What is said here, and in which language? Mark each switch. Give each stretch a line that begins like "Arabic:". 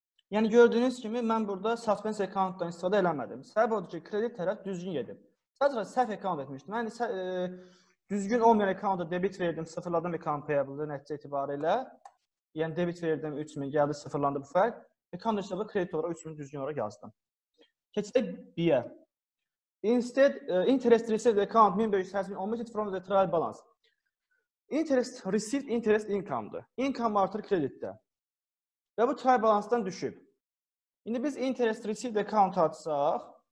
Azerbaijani: Yəni gördüyünüz kimi mən burada suspense account-dan istifadə eləmədim. Səbəb odur ki, kredit tərəf düzgün gedib. Sadəcə səhv account etmişdim. Mən düzgün olmayan account-a debit verdim, sıfırladım account payable-ı nəticə itibarilə. Yəni debit verdim 3000, gəldi sıfırlandı bu fərq. Account hesabı kredit olaraq 3000 düzgün olaraq yazdım. Keçək B-yə.
English: Instead interest received account 1500 has been omitted from the trial balance.
Azerbaijani: Interest received interest income-dır. Income artır kreditdə. Və bu try balansdan düşüb. İndi biz interest received account açsaq.